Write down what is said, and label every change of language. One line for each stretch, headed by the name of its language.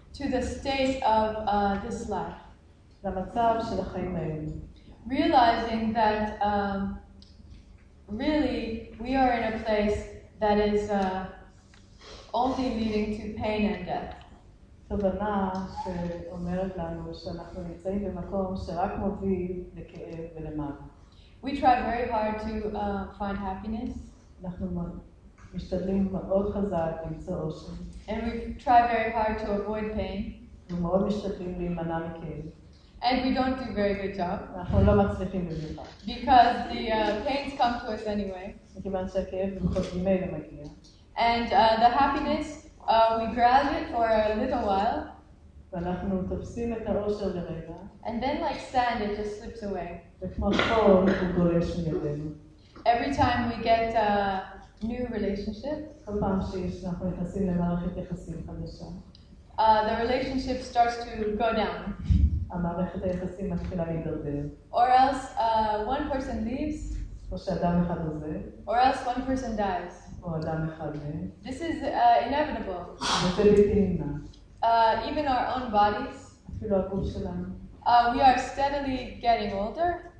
English: To the state of this life.
Hebrew: למצב של החיים האלה.
English: Realizing that really we are in a place that is only leading to pain and death.
Hebrew: תובנה שאומרת לנו שאנחנו נמצאים במקום שרק מוביל לכאב ולמוות.
English: We try very hard to find happiness.
Hebrew: אנחנו משתדלים מאוד חזק למצוא אושר.
English: And we try very hard to avoid pain.
Hebrew: אנחנו מאוד משתדלים להימנע מכאב.
English: And we don't do a very good job.
Hebrew: אנחנו לא מצליחים במיוחד.
English: Because the pains come to us anyway.
Hebrew: מכיוון שהכאב בכל מקרה מגיע.
English: And the happiness, we grab it for a little while.
Hebrew: ואנחנו תופסים את האושר לרגע.
English: And then like sand, it just slips away.
Hebrew: וכמו חול, הוא גולש מידינו.
English: Every time we get a new relationship,
Hebrew: כל פעם שאנחנו נכנסים למערכת יחסים חדשה,
English: the relationship starts to go down.
Hebrew: המערכת היחסים מתחילה להידרדר.
English: Or else one person leaves.
Hebrew: או שאדם אחד עוזב.
English: Or else one person dies.
Hebrew: או אדם אחד מת.
English: This is inevitable.
Hebrew: זה בלתי נמנע.
English: Even our own bodies.
Hebrew: אפילו הגוף שלנו.
English: We are steadily getting older.